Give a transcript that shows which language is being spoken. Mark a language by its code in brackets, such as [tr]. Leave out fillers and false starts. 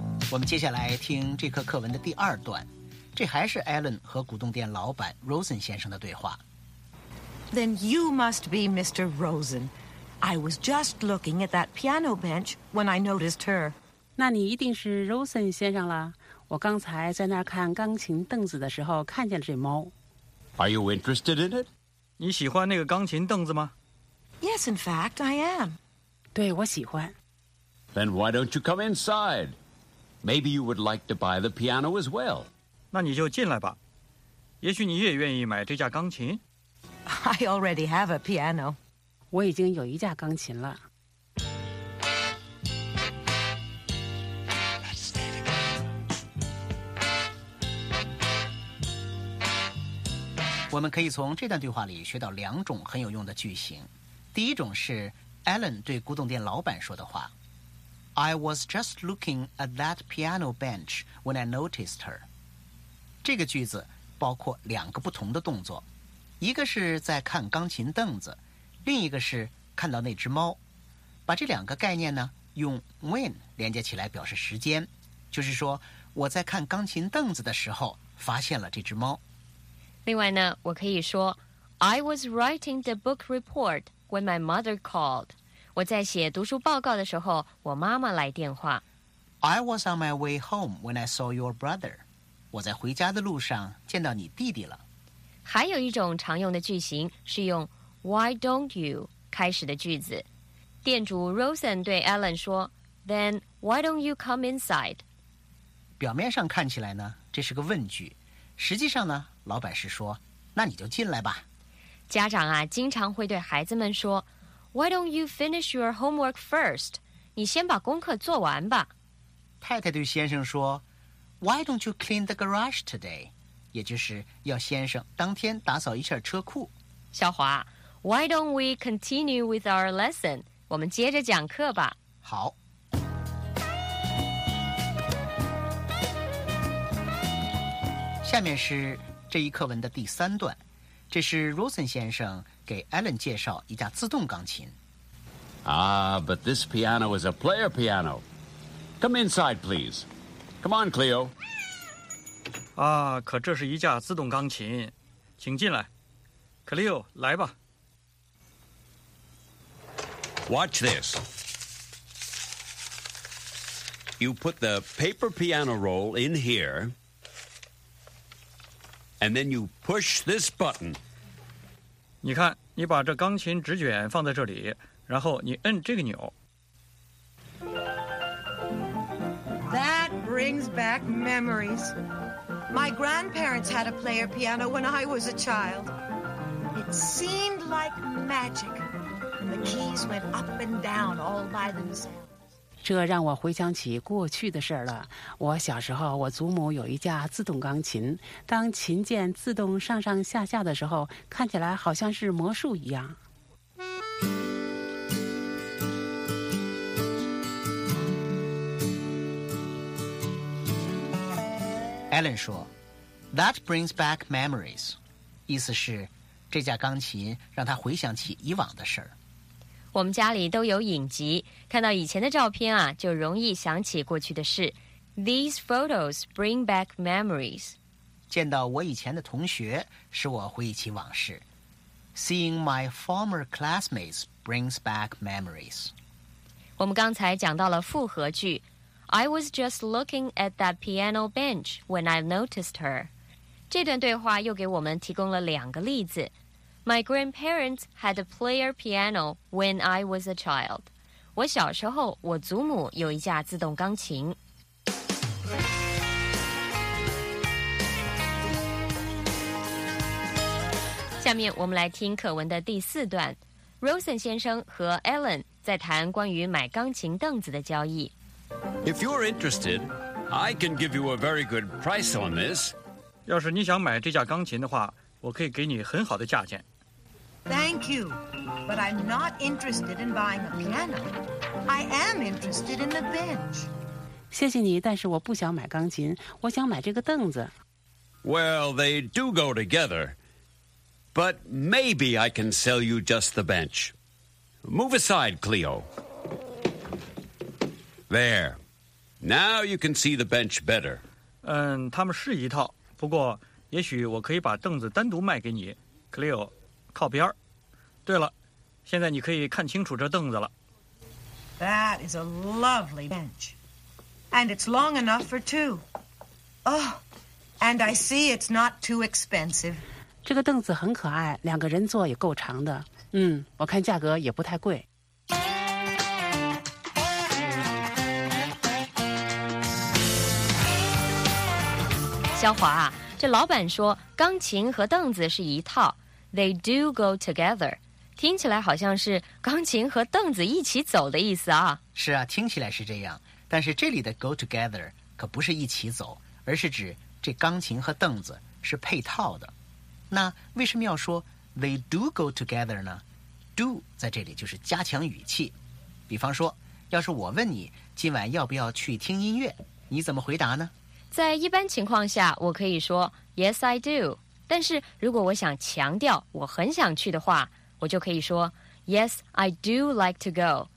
[zh] 我们接下来听这课课文的第二段。这还是 Alan 和古董店老板 Rosen 先生的对话。 [en] Then you must be Mr. Rosen. I was just looking at that piano bench when I noticed her. [zh] 那你一定是 Rosen 先生了。我刚才在那看钢琴凳子的时候看见了这猫。 [en] Are you interested in it? [zh] 你喜欢那个钢琴凳子吗？ [en] Yes, in fact, I am. [zh] 对，我喜欢。 [en] Then why don't you come inside? Maybe you would like to buy the piano as well. [zh] 那你就进来吧。也许你也愿意买这架钢琴。 [en] I already have a piano. [zh] 我已经有一架钢琴了。我们可以从这段对话里学到两种很有用的句型。第一种是 Alan 对古董店老板说的话。 I was just looking at that piano bench when I noticed her. 这个句子包括两个不同的动作，一个是在看钢琴凳子，另一个是看到那只猫。把这两个概念呢，用 when 连接起来表示时间，就是说我在看钢琴凳子的时候发现了这只猫。另外呢，我可以说 [en] I was writing the book report when my mother called. [zh] 我在写读书报告的时候，我妈妈来电话。 [en] I was on my way home when I saw your brother. [zh] 我在回家的路上见到你弟弟了。还有一种常用的句型是用 Why don't you 开始的句子。店主 [en] Rosen [zh] 对 [en] Alan [zh] 说 [en] Then why don't you come inside? [zh] 表面上看起来呢，这是个问句。实际上呢，老板是说那你就进来吧。家长啊，经常会对孩子们说 [en] Why don't you finish your homework first? [zh] 你先把功课做完吧。太太对先生说 [en] Why don't you clean the garage today? [zh] 也就是要先生当天打扫一下车库。 [en] 小华， Why don't we continue with our lesson? [zh] 我们接着讲课吧。好。下面是这一课文的第三段，这是 Rosen 先生给 Alan 介绍一架自动钢琴。 [en] Ah, but this piano is a player piano. Come inside, please. Come on, Cleo. [zh] 啊，可这是一架自动钢琴，请进来。 Cleo, 来吧。 [en] Watch this. You put the paper piano roll in here... And then you push this button. [zh] 你看，你把这钢琴纸卷放在这里，然后你摁这个钮。 [en] That brings back memories. My grandparents had a player piano when I was a child. It seemed like magic. The keys went up and down all by themselves. [zh] 这让我回想起过去的事了。我小时候，我祖母有一架自动钢琴，当琴键自动上上下下的时候，看起来好像是魔术一样。 Alan 说 [en] That brings back memories， [zh] 意思是这架钢琴让他回想起以往的事。我们家里都有影集，看到以前的照片啊，就容易想起过去的事。 [en] These photos bring back memories. [zh] 见到我以前的同学，使我回忆起往事。 [en] Seeing my former classmates brings back memories. [zh] 我们刚才讲到了复合句。 [en] I was just looking at that piano bench when I noticed her. [zh] 这段对话又给我们提供了两个例子。 [en] My grandparents had a player piano when I was a child. [zh] 我小时候，我祖母有一架自动钢琴。下面我们来听课文的第四段。Rosen 先生和 Alan 在谈关于买钢琴凳子的交易。 [en] If you're interested, I can give you a very good price on this. [zh] 要是你想买这架钢琴的话，我可以给你很好的价钱。 [en] Thank you, but I'm not interested in buying a piano. I am interested in the bench. [zh] 谢谢你，但是我不想买钢琴，我想买这个凳子。 [en] Well, they do go together, but maybe I can sell you just the bench. Move aside, Cleo. There. Now you can see the bench better. [zh] 嗯，他们是一套，不过也许我可以把凳子单独卖给你。 Cleo， 靠边。对了，现在你可以看清楚这凳子了。 [en] That is a lovely bench. And it's long enough for two. Oh, and I see it's not too expensive. [zh] 这个凳子很可爱，两个人坐也够长的。嗯，我看价格也不太贵。肖华啊，这老板说钢琴和凳子是一套 ， [en] They do go together。 [zh] 听起来好像是钢琴和凳子一起走的意思啊。是啊，听起来是这样，但是这里的 go together 可不是一起走，而是指这钢琴和凳子是配套的。那为什么要说 [en] they do go together [zh] 呢？ do 在这里就是加强语气。比方说，要是我问你今晚要不要去听音乐，你怎么回答呢？在一般情况下我可以说 [en] yes I do， [zh] 但是如果我想强调我很想去的话，我就可以说 [en] Yes, I do like to go.